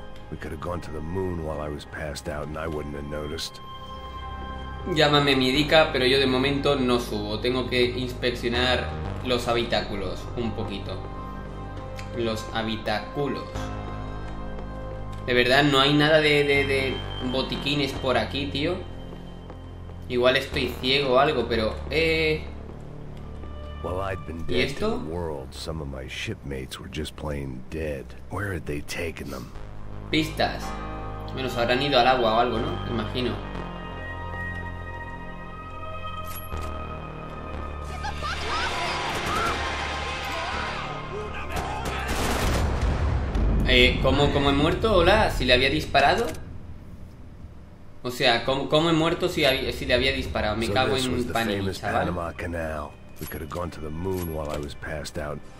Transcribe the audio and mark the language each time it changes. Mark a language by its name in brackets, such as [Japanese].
[English] We could have gone to the moon while I was passed out and I wouldn't have noticed. [Spanish] Llámame médica, pero yo de momento no subo. Tengo que inspeccionar los habitáculos un poquito. De verdad, no hay nada de botiquines por aquí, tío. Igual estoy ciego o algo, pero ¿Y esto? [English] World, some of my shipmates were just plain dead. Where had they taken them? [Spanish] Pistas. Bueno, se habrán ido al agua o algo, ¿no? Imagino. ¿Cómo he muerto? Hola, ¿si le había disparado? O sea, ¿cómo he muerto si le había disparado? Me cago en pan y chaval. [English] We could have gone to the moon while I was passed out.